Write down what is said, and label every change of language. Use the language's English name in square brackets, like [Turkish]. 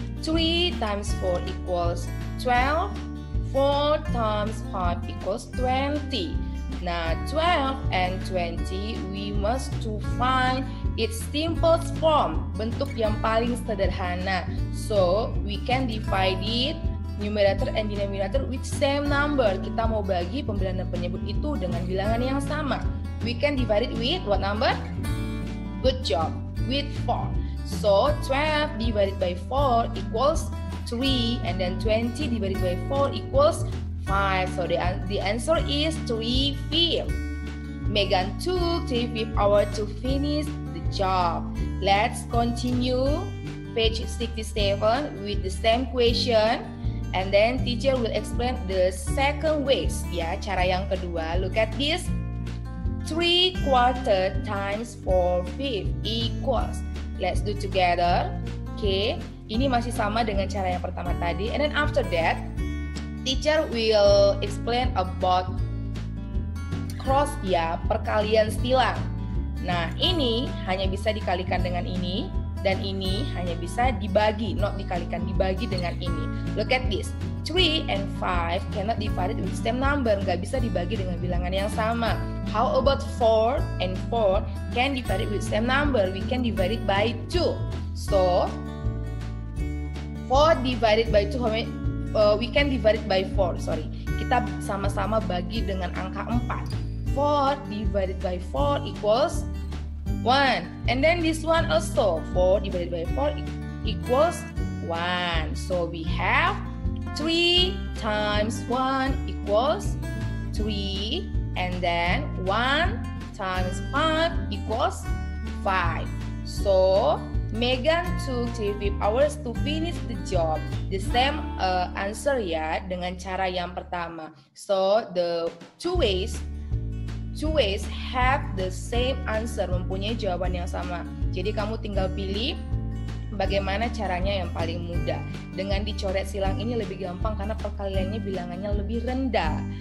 [English] 3 times 4 equals 12. 4 times 5 equals 20. Now 12 and 20 we must to find its simplest form, [Indonesian] bentuk yang paling sederhana. [English] So we can divide it, numerator and denominator, with same number. [Indonesian] Kita mau bagi pembilang dan penyebut itu dengan bilangan yang sama. [English] We can divide it with what number? Good job, with 4. So 12 divided by 4 equals 3, and then 20 divided by 4 equals 5. So the answer is 3/5. Megan took 3/5 hours to finish the job. Let's continue page 67 with the same question. And then teacher will explain the second ways. [Indonesian] Ya, cara yang kedua. [English] Look at this. 3/4 times 4/5 equals. Let's do together. Okay. [Indonesian] Ini masih sama dengan cara yang pertama tadi. [English] And then after that, teacher will explain about cross, [Indonesian] ya, perkalian silang. Nah, ini hanya bisa dikalikan dengan ini. dan ini hanya bisa dibagi, not dikalikan, dibagi dengan ini. [English] Look at this. 3 and 5 cannot divided with same number. [Indonesian] Nggak bisa dibagi dengan bilangan yang sama. [English] How about 4 and 4 can divided with same number? We can divide it by 2. So, 4 divided by 2, we can divide it by 4, sorry. [Indonesian] Kita sama-sama bagi dengan angka 4. [English] 4 divided by 4 equals 1. And then this one also, 4 divided by 4 equals 1. So we have 3 times 1 equals 3. And then 1 times 5 equals 5. So Megan took 35 hours to finish the job. The same answer [Indonesian] ya, dengan cara yang pertama. [English] So the two ways have the same answer, [Indonesian] mempunyai jawaban yang sama. Jadi kamu tinggal pilih bagaimana caranya yang paling mudah. Dengan dicoret silang ini lebih gampang karena perkaliannya bilangannya lebih rendah.